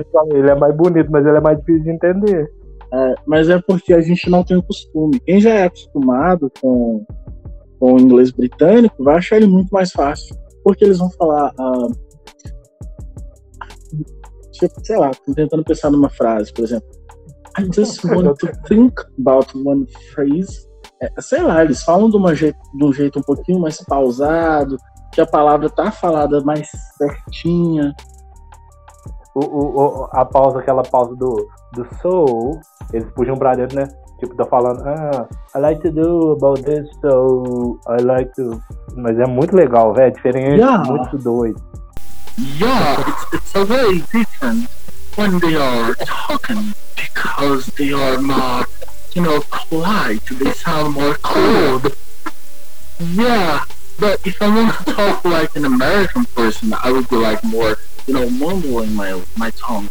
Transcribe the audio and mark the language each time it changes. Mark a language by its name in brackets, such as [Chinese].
[Portuguese] Ele é mais bonito, mas ele é mais difícil de entender. Mas é porque a gente não tem o costume. Quem já é acostumado com o inglês britânico vai achar ele muito mais fácil. Porque eles vão falar... sei lá, tô tentando pensar numa frase, por exemplo. [English] I just want to think about one phrase. [Portuguese] Sei lá, eles falam de um jeito um pouquinho mais pausado, que a palavra tá falada mais certinha. A pausa, aquela pausa do soul, eles puxam pra dentro, né? Tipo, tá falando, [English] I like to do about this, so I like to... [Portuguese] Mas é muito legal, velho, é diferente, muito doido. [English] Yeah, it's a very different when they are talking because they are not, you know, polite. They sound more cold. Yeah, but if I want to talk like an American person, I would be like more, you know, mumbling my tongue.